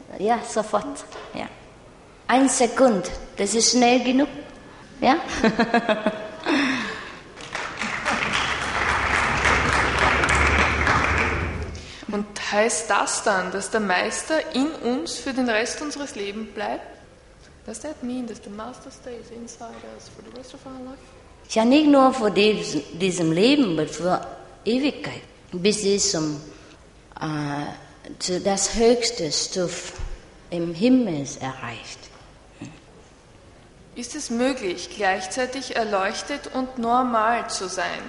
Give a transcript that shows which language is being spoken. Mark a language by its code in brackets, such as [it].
[de] Ja, sofort. Ja. Ein Sekund, das ist schnell genug. Ja? Und heißt das dann, dass der Meister in uns für den Rest unseres Lebens bleibt? [en] Does that mean that the Master stays inside us for the rest of our life? [de] Ja, nicht nur für diesem Leben, aber für Ewigkeit. Bis zum zu das höchste Stufe im Himmel erreicht. Ist es möglich, gleichzeitig erleuchtet und normal zu sein?